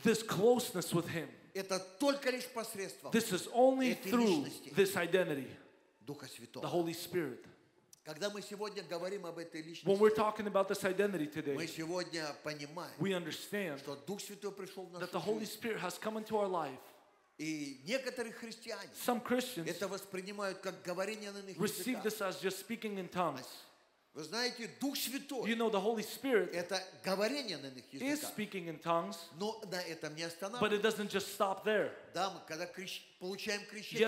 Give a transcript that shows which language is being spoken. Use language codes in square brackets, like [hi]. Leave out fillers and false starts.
[en] This closeness with him. [ru] Это только лишь посредством. [en] This is only through this identity. [ru] Духа Святого. [en] The Holy Spirit. [ru] Когда мы сегодня говорим об этой личности, [en] when we're talking about this identity today, [ru] мы сегодня понимаем, [en] we understand [ru] что Дух Святой пришел в нашу [en] that the Holy Spirit has come into our life. [ru] И некоторые христиане [en] some Christians [ru] это воспринимают как говорение на иных [en] receive [ru] языках. [en] This as just speaking in tongues. [ru] Вы знаете, Дух Святой [en] you know, the Holy Spirit [ru] это говорение на иных языках. [en] Is speaking in tongues, [ru] но на этом не останавливается. [en] But it doesn't just stop there. [ru] Да, мы когда получаем крещение